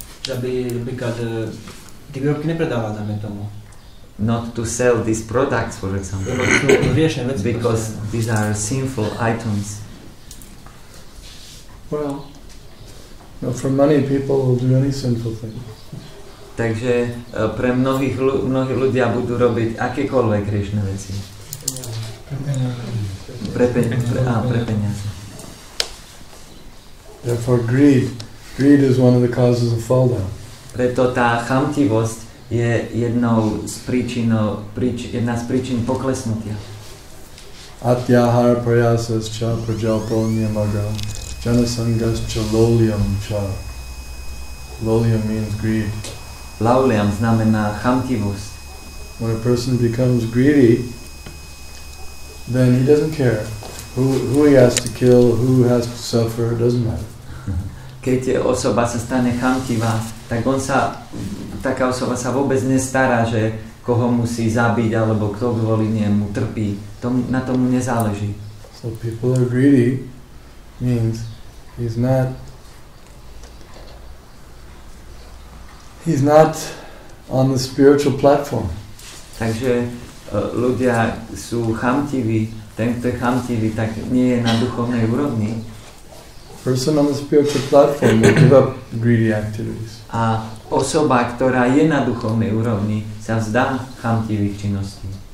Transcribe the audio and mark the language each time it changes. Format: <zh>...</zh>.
<sk>Ty výrobky nepredáva dáme tomu.</sk> <en>Not to sell these products, for example, because these are sinful items. Well, no, for money people will do any sinful thing.</en> <sk>Takže pre mnohých mnohí ľudia budú robiť akékoľvek hriešne veci. Pre peniaze.</sk> <en>Therefore greed. Greed is one of the causes of fall down.</en> <sk>Preto tá chamtivosť je jednou z príčin, jedna z príčin poklesnutia.</sk> <sa>Atyahara prayasas cha prajalpolniyam aga janasangas cha lolyam cha.</sa> <en>Lolyam means greed.</en> <sk>Lauliam znamená chamtivosť.</sk> <en>When a person becomes greedy, then he doesn't care who he has to kill, who has to suffer, it doesn't matter.</en> <sk>Keď je osoba sa stane chamtivá, tak on sa, taká osoba sa vôbec nestará, že koho musí zabiť, alebo kto kvôli niemu trpí. Tom, na tomu nezáleží.</sk> <en>So people are greedy means he's not on the spiritual platform.</en> <sk>Takže ľudia sú chamtiví, ten, kto je chamtivý, tak nie je na duchovnej úrovni.</sk> <en>Person on the spiritual platform will give up greedy activities.</en> <sk>A osoba, ktorá je na duchovnej úrovni, sa vzdá chamtivých činností.</sk>